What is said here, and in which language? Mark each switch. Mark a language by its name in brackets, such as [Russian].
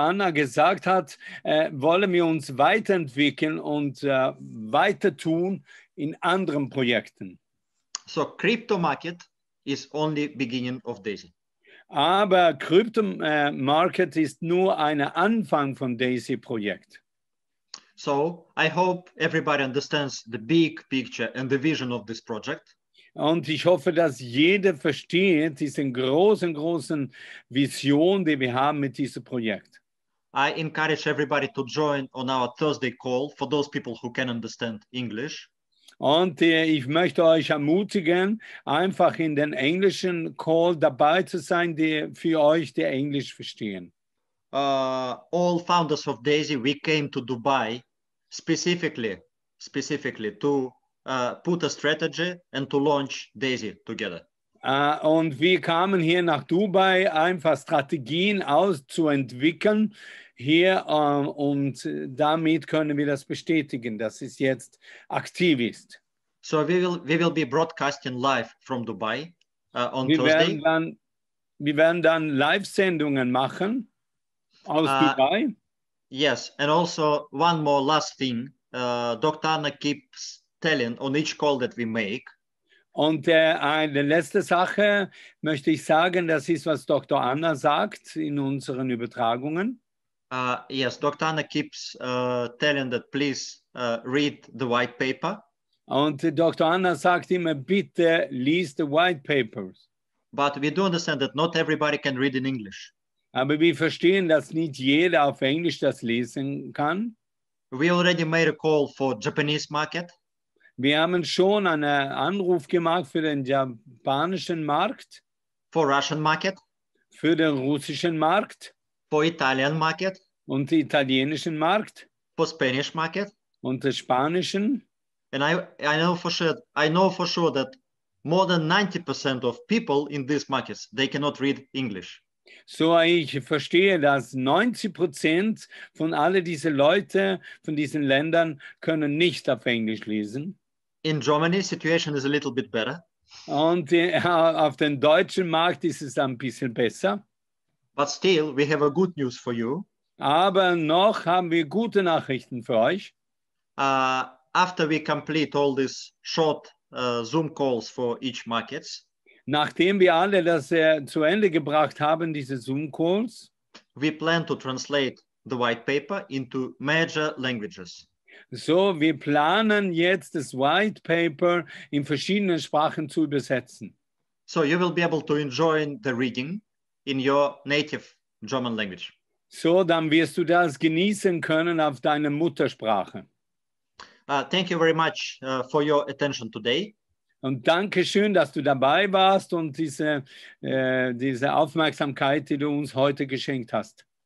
[German] Anna gesagt hat, wollen wir uns weiterentwickeln und weiter tun in anderen Projekten. [English] So crypto market is only beginning of DAISY. [German] Aber Crypto-Market ist nur ein Anfang von DAISY-Projekt. [English] So, I hope everybody understands the big picture and the vision of this project. [German] Und ich hoffe, dass jeder versteht diese großen, großen Vision, die wir haben mit diesem Projekt. [English] I encourage everybody to join on our Thursday call for those people who can understand English. [German] Und ich möchte euch ermutigen, einfach in den englischen Call dabei zu sein, die für euch, die Englisch verstehen. [English] All founders of DAISY, we came to Dubai specifically to put a strategy and to launch DAISY together. [German] Und wir kamen hier nach Dubai, einfach Strategien auszuentwickeln hier, und damit können wir das bestätigen, dass es jetzt aktiv ist. [English] So we will be broadcasting live from Dubai on [German] wir [English] Thursday. [German] Wir werden dann Live-Sendungen machen aus Dubai. [English] Yes, and also one more last thing. Dr. Anna keeps telling on each call that we make. [German] Und eine letzte Sache möchte ich sagen, das ist, was Dr. Anna sagt in unseren Übertragungen. [English] Yes, Dr. Anna keeps telling that please read the white paper. [German] Und Dr. Anna sagt immer, bitte lies [English] the white papers. But we do understand that not everybody can read in English. [German] Aber wir verstehen, dass nicht jeder auf Englisch das lesen kann. [English] We already made a call for Japanese market. [German] Wir haben schon einen Anruf gemacht für den japanischen Markt. [English] For Russian market. [German] Für den russischen Markt. [English] For Italian market. [German] Und den italienischen Markt. [English] For Spanish market. [German] Und den spanischen. [English] And I know for sure that more than 90% of people in these markets, they cannot read English. [German] So ich verstehe, dass 90% von alle diese Leute von diesen Ländern können nicht auf Englisch lesen. [English] In Germany, situation is a little bit better. [German] Und auf dem deutschen Markt ist es ein bisschen besser. [English] But still, we have a good news for you. [German] Aber noch haben wir gute Nachrichten für euch. [English] After we complete all these short Zoom calls for each markets. [German] Nachdem wir alle das zu Ende gebracht haben, diese Zoom calls. [English] We plan to translate the white paper into major languages. [German] So, wir planen jetzt das White Paper in verschiedenen Sprachen zu übersetzen. [English] So, you will be able to enjoy the reading in your native German language. [German] So, dann wirst du das genießen können auf deiner Muttersprache. [English] Thank you very much for your attention today. [German] Und danke schön, dass du dabei warst und diese Aufmerksamkeit, die du uns heute geschenkt hast.